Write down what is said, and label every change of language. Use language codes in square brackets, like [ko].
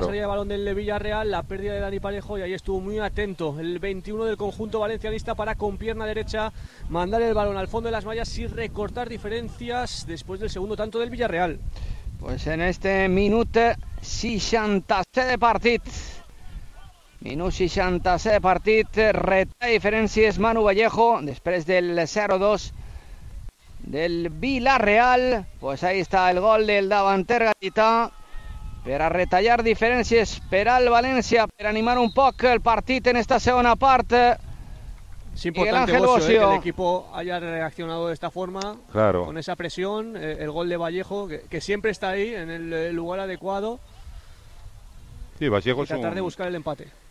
[es] la salida de balón del Villarreal, la pérdida de Dani Parejo, y ahí estuvo muy atento el 21 del conjunto valencianista para con pierna derecha mandar el balón al fondo de las mallas y recortar diferencias después del segundo tanto del Villarreal. Pues en este minuto 67 de partido. [ca] Minut 66 de partit, retalla diferències Manu Vallejo, després del 0-2 del Villarreal. [es] Pues ahí está el gol del davanter gaditano, [ca] per a retallar diferències per al València, per animar un poc el partit en esta segona part. [es] Es importante Bosio, que el equipo haya reaccionado de esta forma, claro, con esa presión, el gol de Vallejo, que siempre está ahí, en el lugar adecuado. Sí, Vallejo es un... tratar de buscar el empate.